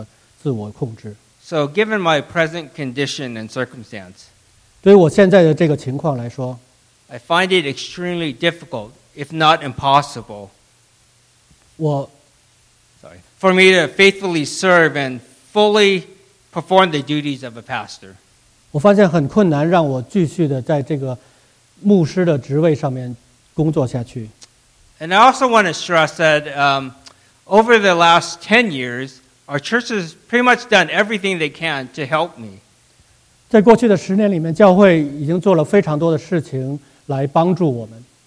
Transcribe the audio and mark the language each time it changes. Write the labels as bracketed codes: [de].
[zh] 自从这个脑动脉瘤有了以后，我就发现非常的困难，以至于我不可能做到这样子的自我控制。 [en] So given my present condition and circumstance, [zh] 对于我现在的这个情况来说, [en] I find it extremely difficult, if not impossible, for me to faithfully serve and fully perform the duties of a pastor. [zh] 我发现很困难让我继续的在这个牧师的职位上面工作下去。 [en] And I also want to stress that over the last 10 years, our church has pretty much done everything they can to help me. [zh] 在过去的10年里面，教会已经做了非常多的事情来帮助我们。